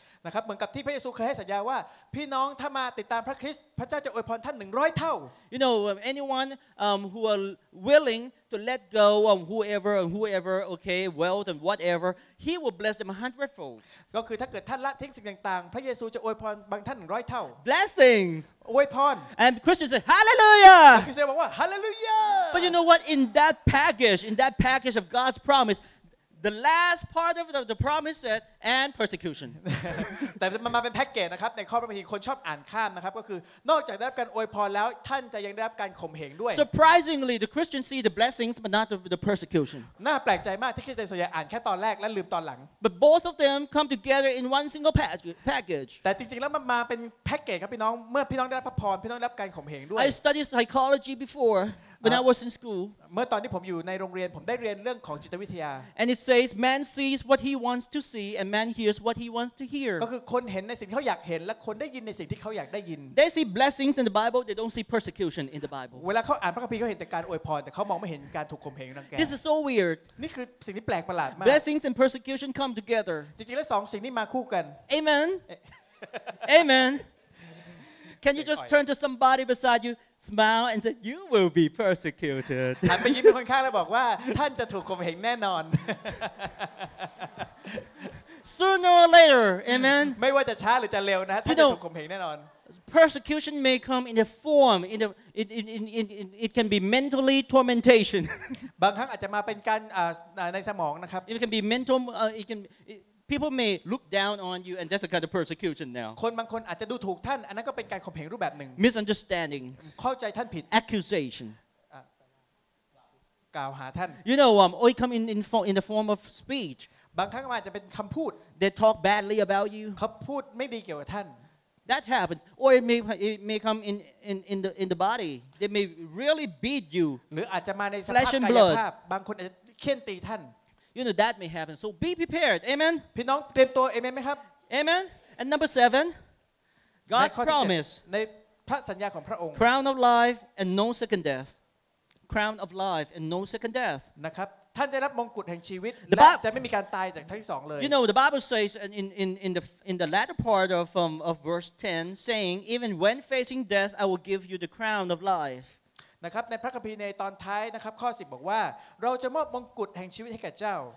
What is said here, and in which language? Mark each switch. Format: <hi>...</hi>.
<th>นะครับเหมือนกับที่พระเยซูเคยให้สัญญาว่าพี่น้องถ้ามาติดตามพระคริสต์พระเจ้าจะอวยพรท่าน100เท่า</th> <en>You know anyone who are willing to let go of whoever okay wealth and whatever he will bless them a hundredfold.</en> <th>ก็คือถ้าเกิดท่านละทิ้งสิ่งต่างๆพระเยซูจะอวยพรบางท่าน100เท่า</th> <en>Blessings.</en> <th>อวยพร</th> <en>And Christian said Hallelujah.</en> <th>คริสเตียนบอกว่า Hallelujah.</th> <en>But you know what in that package of God's promise. The last part of the promise said and persecution.</en> <th>แต่มันมาเป็นแพ็กเกจนะครับในข้อพระคัมภีร์คนชอบอ่านข้ามนะครับก็คือนอกจากได้รับการอวยพรแล้วท่านจะยังได้รับการข่มเหงด้วย</th> <en>Surprisingly the Christians see the blessings but not the persecution.</en> <th>น่าแปลกใจมากที่คริสเตียนส่วนใหญ่อ่านแค่ตอนแรกและลืมตอนหลัง</th> <en>But both of them come together in one single package.</en> <th>แต่จริงๆแล้วมันมาเป็นแพ็กเกจครับพี่น้องเมื่อพี่น้องได้รับพระพรพี่น้องได้รับการข่มเหงด้วย</th> <en>I studied psychology beforeWhen I was in school,</en> <th>เมื่อตอนที่ผมอยู่ในโรงเรียนผมได้เรียนเรื่องของจิตวิทยา</th> <en>And it says man sees what he wants to see and man hears what he wants to hear.</en> <th>ก็คือคนเห็นในสิ่งที่เขาอยากเห็นและคนได้ยินในสิ่งที่เขาอยากได้ยิน</th> <en>They see blessings in the Bible, they don't see persecution in the Bible.</en> <th>เวลาเขาอ่านพระคัมภีร์เขาเห็นแต่การอวยพรแต่เขามองไม่เห็นการถูกข่มเหงรังแก</th> <en>This is so weird.</en> <th>นี่คือสิ่งที่แปลกประหลาดมาก</th> <en>Blessings and persecution come together.</en> <th>จริงๆแล้วสองสิ่งนี้มาคู่กัน</th> <en>Amen. Amen. Can you just turn to somebody beside you, smile, and say, "You will be persecuted."</en> <th>ถามไปยิ้มไปคนข้างแล้วบอกว่าท่านจะถูกข่มเหงแน่นอน</th> <en>Sooner or later, amen.</en> <th>ไม่ว่าจะช้าหรือจะเร็วนะท่านจะถูกข่มเหงแน่นอน</th> <en>Persecution may come in a form in the in it can be mentally tormentation.</en> <th>บางครั้งอาจจะมาเป็นการในสมองนะครับ</th> <en>It can be mental. People may look down on you, and that's a kind of persecution now.</en> <th>คนบางคนอาจจะดูถูกท่านอันนั้นก็เป็นการข่มเหงรูปแบบหนึ่ง</th> <en>Misunderstanding.</en> <th>เข้าใจท่านผิด</th> <en>Accusation.</en> <th>กล่าวหาท่าน</th> <en>You know, it come in the form of speech.</en> <th>บางครั้งอาจจะเป็นคำพูด</th> <en>They talk badly about you.</en> <th>เขาพูดไม่ดีเกี่ยวกับท่าน</th> <en>That happens. Or it may come in the body. They may really beat you.</en> <th>หรืออาจจะมาในสภาพกายภาพบางคนอาจจะเคี่ยนตีท่าน</th> <en>You know that may happen, so be prepared. Amen.</en> <th>พี่น้องเตรียมตัวเอเมนไหมครับ</th> <en>Amen. And number seven, God's promise.</en> <th>ในพระสัญญาของพระองค์</th> <en>Crown of life and no second death. Crown of life and no second death.</en> <th>นะครับท่านจะรับมงกุฎแห่งชีวิตและจะไม่มีการตายจากทั้งสองเลย</th> <en>You know the Bible says in the latter part of verse 10 saying even when facing death I will give you the crown of life</en> <th>นะครับในพระคัมภีร์ในตอนท้ายนะครับข้อ10บอกว่าเราจะมอบมงกุฎแห่งชีวิตให้แก่เจ้า</th>